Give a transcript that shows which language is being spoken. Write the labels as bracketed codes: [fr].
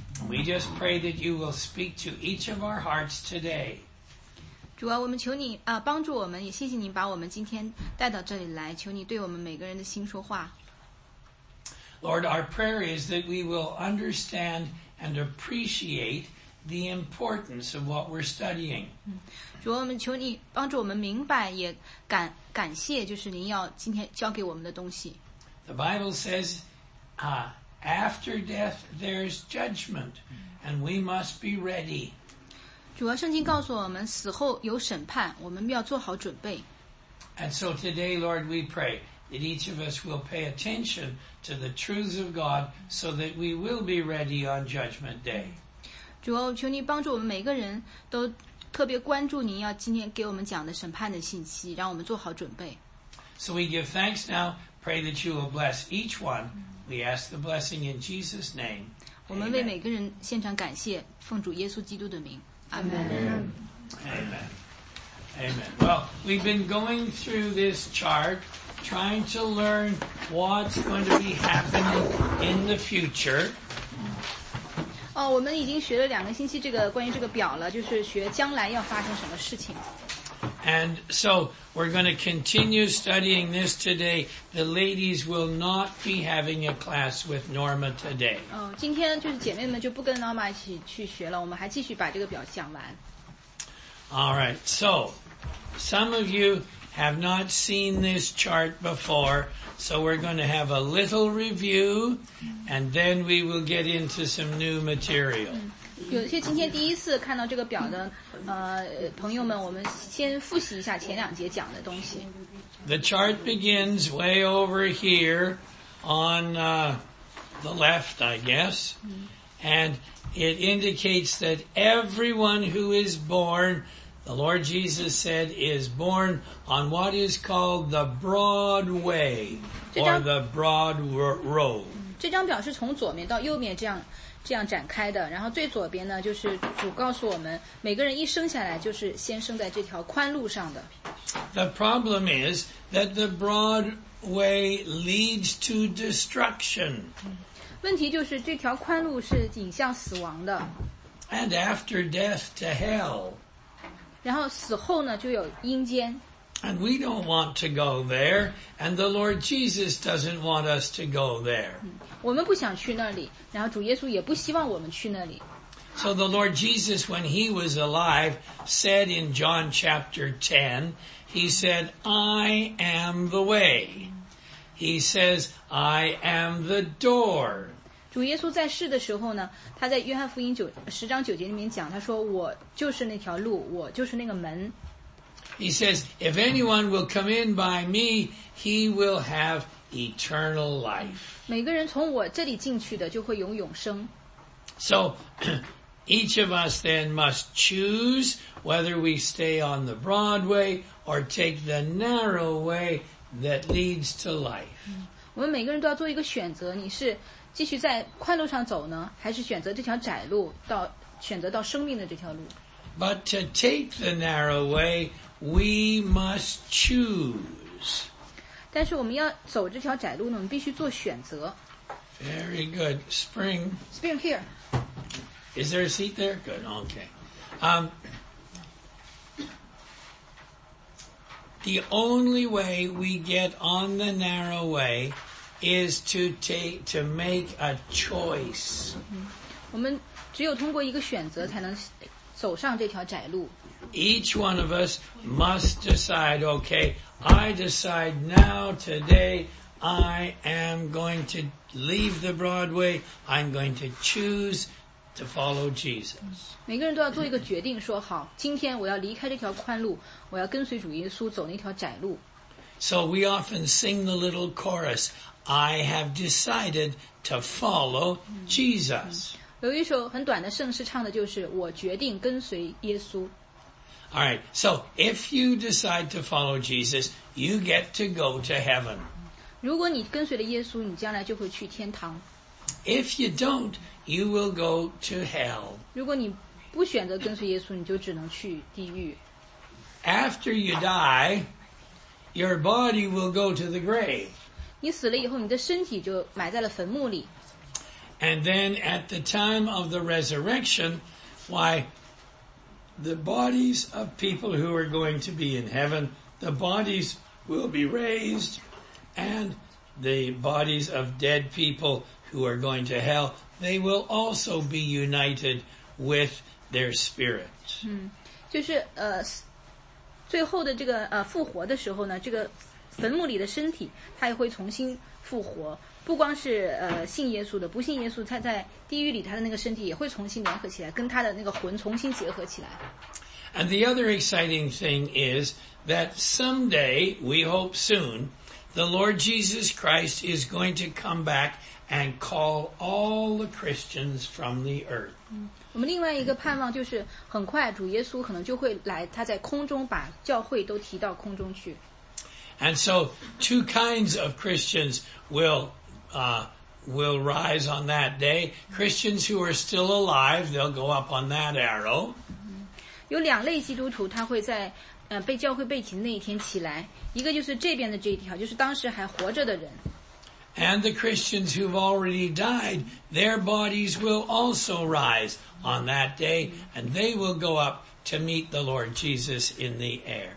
[en] We just pray that you will speak to each of our hearts today. [zh] 主啊，我们求你啊，帮助我们，也谢谢你把我们今天带到这里来，求你对我们每个人的心说话。 [en] Lord, our prayer is that we will understand and appreciate the importance of what we're studying. [zh] 主啊，我们求你帮助我们明白，也感谢，就是您要今天教给我们的东西。 [en] The Bible says, after death there's judgment, and we must be ready. [zh] 主啊，圣经告诉我们，死后有审判，我们要做好准备。 [en] And so today, Lord, we pray that each of us will pay attention to the truths of God, so that we will be ready on Judgment Day. [zh] 主啊，求你帮助我们每个人都特别关注您要今天给我们讲的审判的信息，让我们做好准备。 [en] So we give thanks now. Pray that you will bless each one. We ask the blessing in Jesus' name. [zh] 我们为每个人献上感谢，奉主耶稣基督的名。 [en] Amen. Amen. Amen. Well, we've been going through this chart, trying to learn what's going to be happening in the future. [zh] 哦，我们已经学了两个星期这个关于这个表了，就是学将来要发生什么事情。 [en] And so we're going to continue studying this today. The ladies will not be having a class with Norma today. [zh] 今天就是姐妹们就不跟 Norma 一起去学了，我们还继续把这个表讲完。 [en] All right, so some of you have not seen this chart before, so we're going to have a little review, and then we will get into some new material. [zh] 有些今天第一次看到这个表的朋友们，我们先复习一下前两节讲的东西。 [en] The chart begins way over here on the left, I guess. And it indicates that everyone who is born, the Lord Jesus said, is born on what is called the broad way or the broad road. [zh] 这张表是从左面到右面这样展开的，然后最左边呢，就是主告诉我们，每个人一生下来就是先生在这条宽路上的。 [en] The problem is that the broad way leads to destruction. [zh] 问题就是这条宽路是引向死亡的。 [en] And after death to hell. [zh] 然后死后呢，就有阴间。 [en] And we don't want to go there, and the Lord Jesus doesn't want us to go there. [zh] 我们不想去那里，然后主耶稣也不希望我们去那里。 [en] So the Lord Jesus, when he was alive, said in John chapter 10, he said, I am the way. He says, I am the door. [zh] 主耶稣在世的时候呢，他在约翰福音10章9节里面讲，他说，我就是那条路，我就是那个门。 [en] He says, if anyone will come in by me, he will have eternal life. [zh] 每个人从我这里进去的就会有永生。 [en] So, each of us then must choose whether we stay on the broad way or take the narrow way that leads to life. [zh] 我们每个人都要做一个选择，你是继续在宽路上走呢，还是选择这条窄路，到选择到生命的这条路。 [en] But to take the narrow way, we must choose. [zh] 但是我们要走这条窄路呢，我们必须做选择。 [en] Very good. Spring. Spring here. Is there a seat there? Good. Okay. The only way we get on the narrow way is to make a choice. [zh] 我们只有通过一个选择才能走上这条窄路。 [en] Each one of us must decide, okay, I decide now, today, I am going to leave the Broadway, I'm going to choose to follow Jesus. [zh] 每个人都要做一个决定，说好，今天我要离开这条宽路，我要跟随主耶稣走那条窄路。 [en] So we often sing the little chorus, I have decided to follow Jesus. [zh] 有一首很短的圣诗唱的就是，我决定跟随耶稣。 [en] Alright, so if you decide to follow Jesus, you get to go to heaven. [zh] 如果你跟随了耶稣，你将来就会去天堂。 [en] If you don't, you will go to hell. [zh] 如果你不选择跟随耶稣，你就只能去地狱。 [en] After you die, your body will go to the grave. [zh] 你你死了以后，你的身体就埋在了坟墓里。 [en] And then at the time of the resurrection, why, the bodies of people who are going to be in heaven, the bodies will be raised, and the bodies of dead people who are going to hell, they will also be united with their spirit. [zh] 就是最后的这个复活的时候呢，这个坟墓里的身体它也会重新复活，不光是信耶稣的，不信耶稣他在地狱里他的那个身体也会重新联合起来，跟他的那个魂重新结合起来。 [en] And the other exciting thing is that someday, we hope soon, the Lord Jesus Christ is going to come back and call all the Christians from the earth. [zh] 我们另外一个盼望就是很快主耶稣可能就会来，他在空中把教会都提到空中去。 [en] And so two kinds of Christians will rise on that day. Christians who are still alive, they'll go up on that arrow. [zh] 有两类基督徒他会在被教会被提那一天起来，一个就是这边的这一条，就是当时还活着的人。 [en] And the Christians who've already died, their bodies will also rise on that day, and they will go up to meet the Lord Jesus in the air.